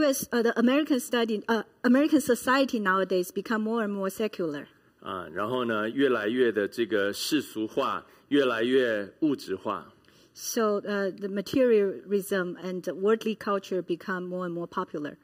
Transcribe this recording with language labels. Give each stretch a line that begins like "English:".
English: American society nowadays become more and more secular.
Chinese: 然后呢，越来越的这个世俗化，越来越物质化。
English: So the materialism and worldly culture become more and more popular.